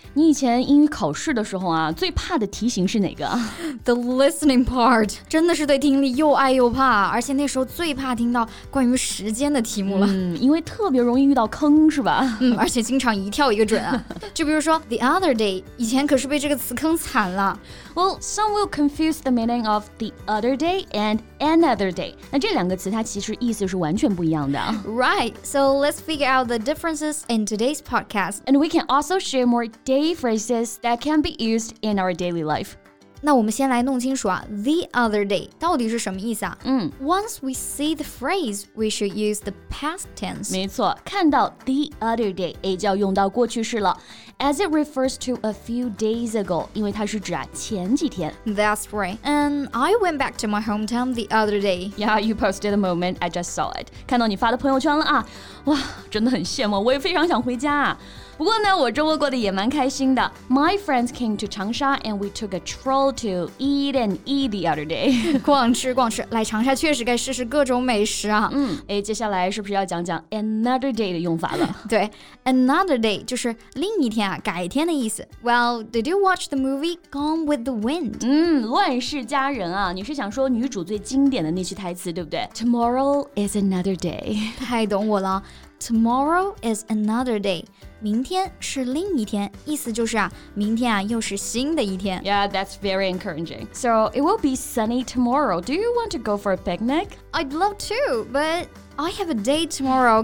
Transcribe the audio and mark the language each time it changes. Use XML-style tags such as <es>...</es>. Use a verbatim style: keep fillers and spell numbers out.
<zh>你以前英语考试的时候啊，最怕的题型是哪个</zh> <en>？The listening part.</en> <zh>真的是对听力又爱又怕，而且那时候最怕听到关于时间的题目了。嗯，因为特别容易遇到坑，是吧？嗯，而且经常一跳一个准啊。就比如说 the other day， 以前可是被这个词坑惨了。</zh> <en>Well, some will confuse the meaning of the other day and another day.</en> <zh>那这两个词它其实意思是完全不一样的。</zh> <en>Right, so let's figure out the differences in today's podcast. And we can also share more day phrases that can be used in our daily life.</en> <zh>那我们先来弄清楚啊 the other day 到底是什么意思啊？嗯</zh> <en>Once we see the phrase, we should use the past tense.</en> <zh>没错，看到 the other day 也就要用到过去式了</zh> <en>as it refers to a few days ago,</en> <zh>因为它是指啊前几天。</zh> <en>That's right. And I went back to my hometown the other day. Yeah, you posted the moment I just saw it.</en> <zh>看到你发的朋友圈了啊，哇，真的很羡慕，我也非常想回家啊。不过呢，我周末过得也蛮开心的。</zh> <en>My friends came to 长沙 and we took a stroll to eat and eat the other day.</en> <zh>逛吃逛吃，来长沙确实该试试各种美食啊。嗯，哎，接下来是不是要讲讲 another day 的用法了？对 ，another day 就是另一天啊，改天的意思。</zh> <en>Well, did you watch the movie Gone with the Wind?</en> <zh>嗯，《乱世佳人》啊，你是想说女主最经典的那句台词对不对 ？</zh> <en>Tomorrow is another day.</en> <zh>太懂我了。</zh> <en>Tomorrow is another day.</en> <zh>明天是另一天，意思就是啊，明天啊又是新的一天。</zh> <en>Yeah, that's very encouraging. So it will be sunny tomorrow. Do you want to go for a picnic? I'd love to, but I have a date tomorrow.</en>